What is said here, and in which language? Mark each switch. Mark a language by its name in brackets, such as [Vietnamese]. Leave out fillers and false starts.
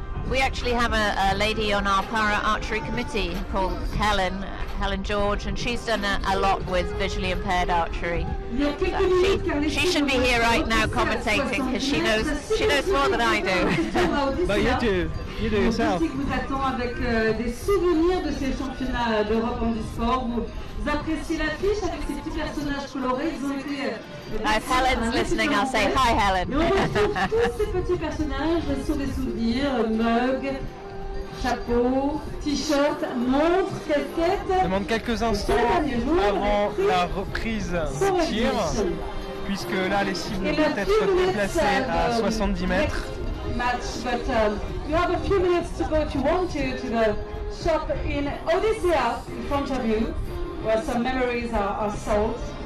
[English] We actually have a lady on our para archery committee called Helen George, and she's done a lot with visually impaired archery. She should be here right now commentating because she knows more than I do. But you do yourself. [French] Vous attend avec des souvenirs de ces championnats d'Europe en e-sport. Vous appréciez l'affiche avec ces petits personnages colorés. [English] If Helen's listening, I'll say hi, Helen. [French] Tous ces petits personnages sont des souvenirs, mugs, chapeau, t-shirt, montre, casquette. Demande quelques instants avant la reprise du tir, puisque là les cibles vont être déplacées à 70 mètres. [English] Match, but you have a few minutes to go if you want to the shop in Odyssea in front of you, where some memories are sold.